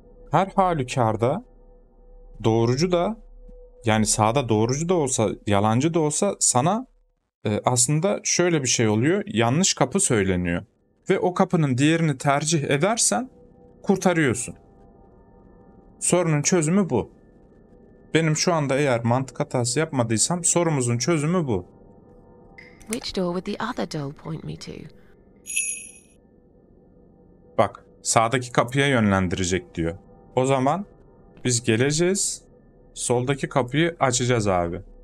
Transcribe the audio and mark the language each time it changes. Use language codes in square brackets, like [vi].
[tr] Her halükarda doğrucu da, yani sağda doğrucu da olsa yalancı da olsa sana aslında şöyle bir şey oluyor. Yanlış kapı söyleniyor. Ve o kapının diğerini tercih edersen kurtarıyorsun. Sorunun çözümü bu. Benim şu anda eğer mantık hatası yapmadıysam sorumuzun çözümü bu. [en] Which door would the other doll point me to? [tr] Bak, sağdaki kapıya yönlendirecek diyor. O zaman biz geleceğiz, soldaki kapıyı açacağız abi.